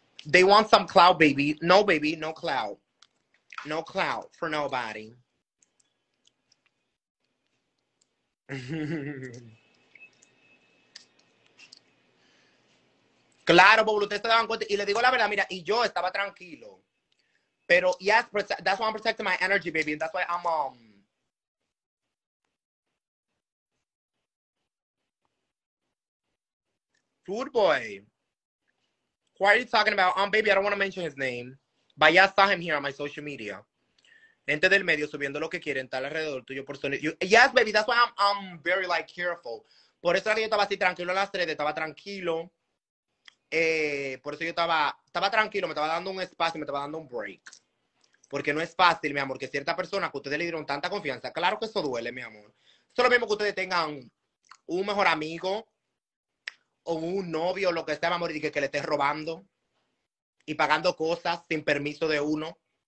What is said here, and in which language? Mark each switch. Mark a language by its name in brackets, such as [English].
[English] They want some clout, baby. No, baby, no clout. No clout for nobody. [Spanish] Claro, porque ustedes se daban cuenta. Y le digo la verdad, mira, y yo estaba tranquilo. [English] Pero, yes, that's why I'm protecting my energy, baby. And that's why I'm, Food boy. Why are you talking about? Baby, I don't want to mention his name. But yeah, I saw him here on my social media. [Spanish] Gente del medio subiendo lo que quieren, tal alrededor tuyo por sonido. [English] Yes, baby, that's why I'm very, like, careful. [Spanish] Por eso era que yo estaba así tranquilo a las 3, estaba tranquilo. Por eso yo estaba tranquilo, me estaba dando un espacio, me estaba dando un break. Porque no es fácil, mi amor, que cierta persona que ustedes le dieron tanta confianza, claro que eso duele, mi amor. Eso es lo mismo que ustedes tengan un mejor amigo o un novio, lo que sea, mi amor, y que le estés robando y pagando cosas sin permiso de uno.